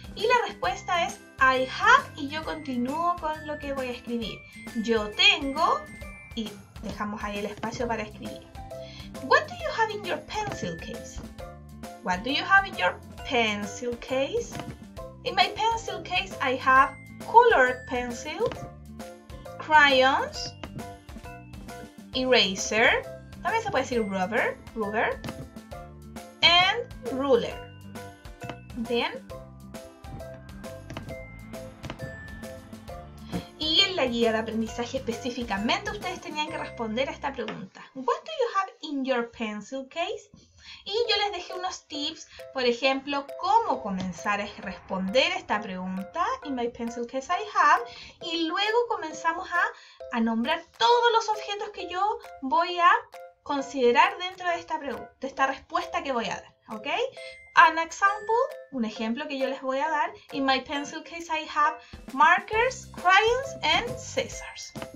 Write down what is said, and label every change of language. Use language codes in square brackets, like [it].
[es] Y la respuesta es [en] I have [es] y yo continúo con lo que voy a escribir. Yo tengo y dejamos ahí el espacio para escribir. [en] What do you have in your pencil case? What do you have in your pencil case? In my pencil case, I have colored pencils, crayons, eraser, [es] también se puede decir [en] rubber, and ruler. ¿Bien? [es] Y en la guía de aprendizaje específicamente ustedes tenían que responder a esta pregunta. [en] What do you have in your pencil case? [es] Y yo les dejé unos tips, por ejemplo, cómo comenzar a responder esta pregunta [en] in my pencil case I have. [es] Y luego comenzamos a nombrar todos los objetos que yo voy a considerar dentro de esta respuesta que voy a dar. ¿Ok? [en] An example, [es] un ejemplo que yo les voy a dar. [en] In my pencil case I have markers, crayons and scissors.